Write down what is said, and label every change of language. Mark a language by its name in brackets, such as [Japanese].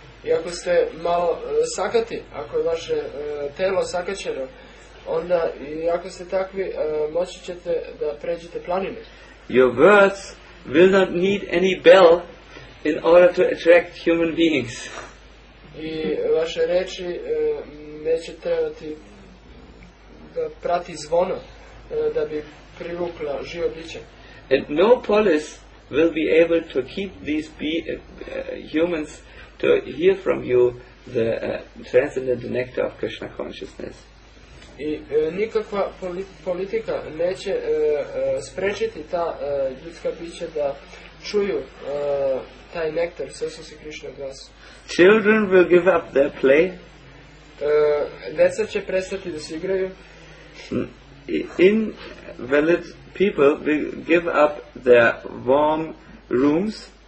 [Serbian] I ako ste malo sakati, ako je vaše telo sakaćeno, onda i ako ste takvi, moći ćete da pređete planine. [English] Your words will not need any bell in order to attract human beings. [Serbian] I vaše reči neće trebati da prati zvono da bi privukla živo biće. [English] And no police will be able to keep these humans to hear from you the transcendental nectar of Krishna consciousness. [Serbian] I nikakva politika neće sprečiti ta ljudska bića da čuju taj nektar svesnosti Krishna glasa. [English] Children will give up their play. [Serbian] Deca će prestati da se igraju. [English] In valid people will give up their warm rooms.